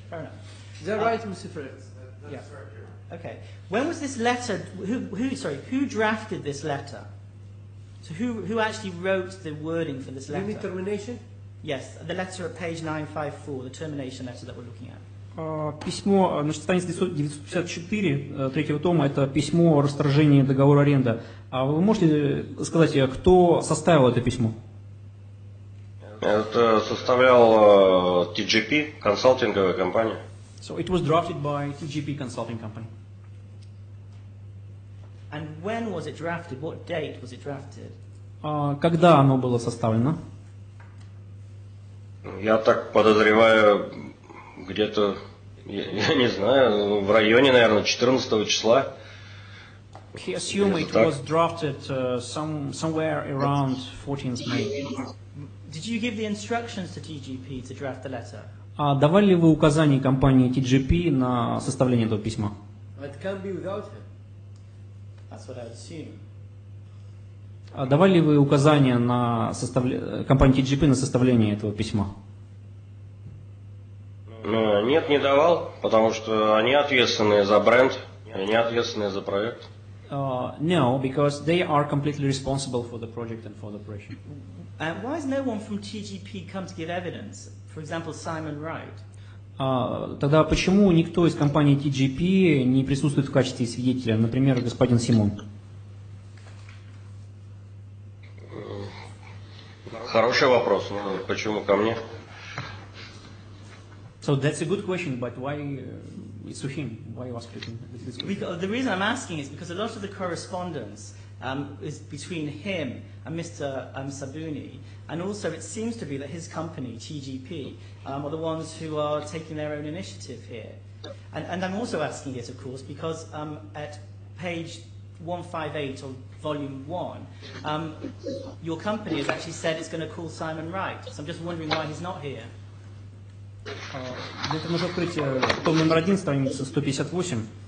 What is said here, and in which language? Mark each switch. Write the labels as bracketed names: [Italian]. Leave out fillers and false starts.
[English] Fair enough. Is that right, Mr. Fritz? That's, yeah, right here. Okay. When was this letter? Who drafted this letter? So who actually wrote the wording for this letter? You mean termination? Yes. The letter at page 954, the termination letter that we're looking at. [Russian] Письмо на странице 954 третьего тома, это письмо о расторжении договора аренды. А вы можете сказать, кто составил это письмо? Это составлял TGP, консалтинговая компания. [English] So it was drafted by TGP consulting company. And when was it drafted? What date was it drafted? [Russian] Когда оно было составлено? Я так подозреваю, где-то, я не знаю, в районе, наверное, 14 числа. [English] He assumed it was drafted somewhere around 14th May. Did you give the instructions to TGP to draft the letter? [Russian] Давали ли вы указания компании TGP на составление этого письма? [English] It can't be without him. That's what I would assume. [Russian] Давали ли вы указания на компании TGP на составление этого письма? Нет, не давал, потому что они ответственны за бренд, они ответственны за проект. [English] No, because they are completely responsible for the project and for the operation. And why has no one from TGP come to give evidence? For example, Simon Wright. [Russian] Тогда почему никто из компании TGP не присутствует в качестве свидетеля, например, господин Симон? Хороший вопрос, но почему ко мне? [English] So that's a good question, but why it's to him? Why are you asking this question? The reason I'm asking is because a lot of the correspondence is between him and Mr. Sabuni. And also it seems to be that his company, TGP, are the ones who are taking their own initiative here. And I'm also asking this, of course, because at page 158 of volume one, your company has actually said it's going to call Simon Wright. So I'm just wondering why he's not here. [Russian] Где-то нужно открыть том номер один, страница 158.